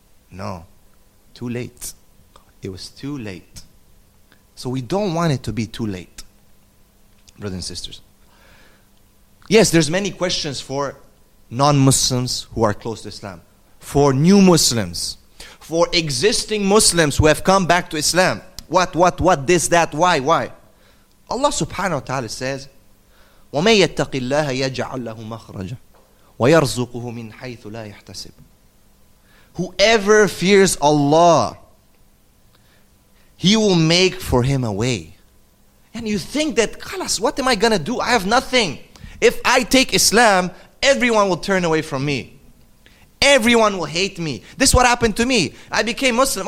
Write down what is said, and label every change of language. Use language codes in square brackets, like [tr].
[en] No, too late. It was too late. So we don't want it to be too late. brothers and sisters. Yes, there's many questions for non-Muslims who are close to Islam, for new Muslims, for existing Muslims who have come back to Islam. What, this, that, why? Allah subhanahu wa ta'ala says, [ar] وَمَنْ يَتَّقِ اللَّهَ يَجْعَلْ لَهُ مَخْرَجًا وَيَرْزُقُهُ مِنْ حَيْثُ لَا يَحْتَسِبُ. [en] Whoever fears Allah, He will make for him a way. And you think that, khalas, what am I going to do? I have nothing. If I take Islam, everyone will turn away from me. Everyone will hate me. This is what happened to me. I became Muslim.